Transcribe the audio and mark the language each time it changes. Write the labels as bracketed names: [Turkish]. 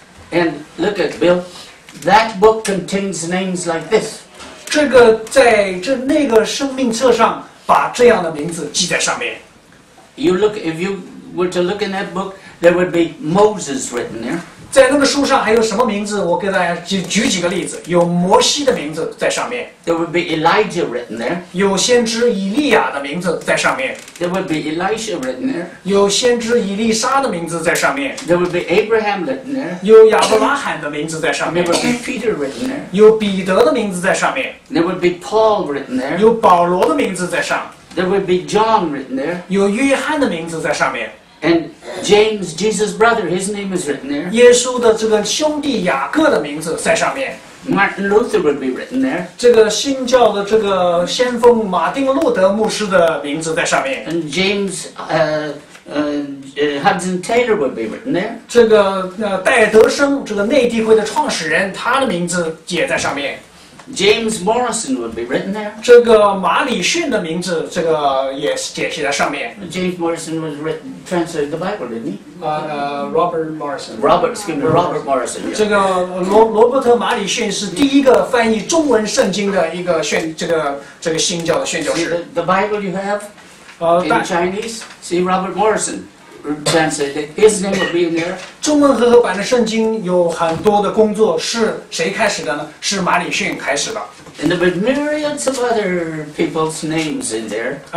[English] And look at Bill, that book contains names like this. [Chinese] 这个在这那个生命册上把这样的名字记在上面。 [English] You look, if you were to look in that book, there would be Moses written there. [Chinese] 在那个书上还有什么名字？我给大家举几个例子，有摩西的名字在上面。 [English] There would be Elijah written there. [Chinese] 有先知以利亚的名字在上面。 [English] There would be Elisha written there. [Chinese] 有先知以利沙的名字在上面。 [English] There would be Abraham written there. [Chinese] 有亚伯拉罕的名字在上面。 [English] There would be Peter written there. [Chinese] 有彼得的名字在上面。 [English] There would be Paul written there. [Chinese] 有保罗的名字在上。 [English] There would be John written there. [Chinese] 有约翰的名字在上面。 [English] And James, Jesus' brother, his name is written there. [Chinese] 耶稣的这个兄弟雅各的名字在上面。 [English] Martin Luther would be written there. [Chinese] 这个新教的这个先锋马丁路德牧师的名字在上面。 [English] And James, Hudson Taylor would be written there. [Chinese] 这个戴德生这个内地会的创始人，他的名字也在上面。 [English] James Morrison would be written there. [Chinese] 这个马里逊的名字，这个也写在上面。 [English] James Morrison was translated the Bible, didn't he? Robert Morrison. Robert Morrison.、Yeah. [Chinese] 这个罗伯特马里逊是第一个翻译中文圣经的一个这个新教的宣教士。 [English] The Bible you have in Chinese, see Robert Morrison. translated. His name will be in there. [Chinese] 中文和合版的圣经有很多的工作是谁开始的呢？是马里逊开始的。 [English] And there were myriads of other people's names in there.